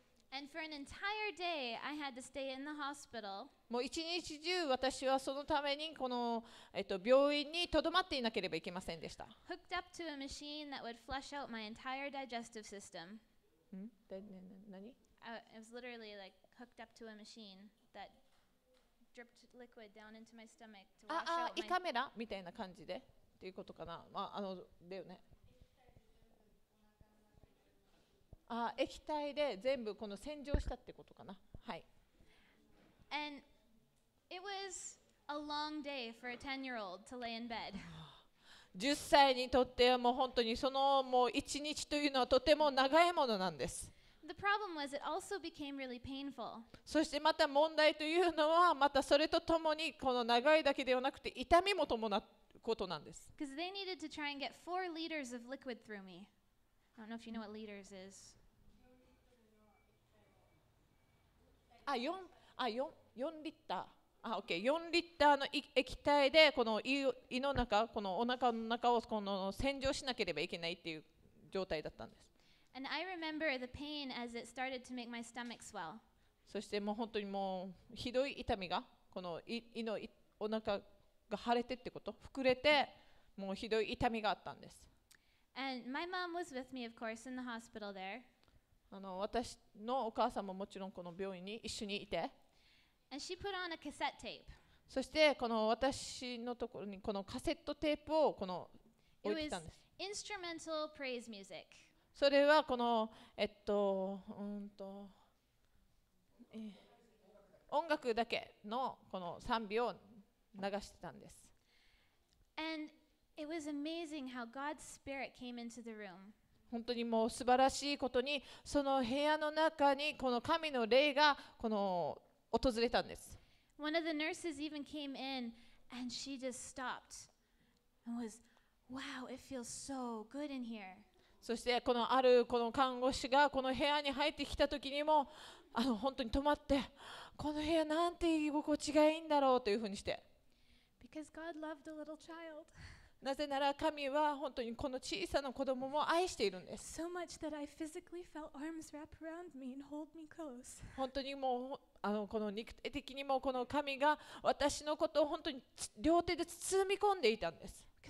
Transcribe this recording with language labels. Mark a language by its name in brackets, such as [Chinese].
[English] And for an entire day, I had to stay in the hospital. [Japanese] もう一日中私はそのためにこの病院にとどまっていなければいけませんでした。 [English] Hooked up to a machine that would flush out my entire digestive system. It was literally like hooked up to a machine that dripped liquid down into my stomach to wash out my. [Japanese] 胃カメラみたいな感じでっていうことかな。まああのだよね。液体で全部この洗浄したってことかな。はい。 [English] And it was a long day for a 10-year-old to lay in bed. [Japanese] 10歳にとってはもう本当にそのもう一日というのはとても長いものなんです。 [English] the problem was it also became really painful. [Japanese] そしてまた問題というのはまたそれとともにこの長いだけではなくて痛みも伴うことなんです。 [English] Because they needed to try and get 4 liters of liquid through me. I don't know if you know what liters is. [Japanese] あ、4リッター。あ、OK。 4リッターの液体でこの胃の中、このお腹の中をこの洗浄しなければいけないっていう状態だったんです。 [English] And I remember the pain as it started to make my stomach swell. [Japanese] そしてもう本当にもうひどい痛みがこの胃のお腹が腫れてってこと、膨れてもうひどい痛みがあったんです。 [English] And my mom was with me, of course, in the hospital there. [Japanese] あの私のお母さんももちろんこの病院に一緒にいて。 [English] And she put on a cassette tape. [Japanese] そしてこの私のところにこのカセットテープをこの置いてたんです。 [English] It was instrumental praise music. [Japanese] それはこの音楽だけのこの賛美を流してたんです。 [English] And it was amazing how God's spirit came into the room. [Japanese] 本当にもう素晴らしいことにその部屋の中にこの神の霊がこの訪れたんです。 [English] One of the nurses even came in and she just stopped and was, wow, it feels so good in here. [Japanese] そしてこのあるこの看護師がこの部屋に入ってきた時にも本当に止まってこの部屋なんて居心地がいいんだろうというふうにして。 [English] Because God loved a little child. [Japanese] なぜなら神は本当にこの小さな子供も愛しているんです。 [English] So much that I physically felt arms wrap around me and hold me close. [Japanese] 本当にもうこの肉体的にもこの神が私のことを本当に両手で包み込んでいたんです。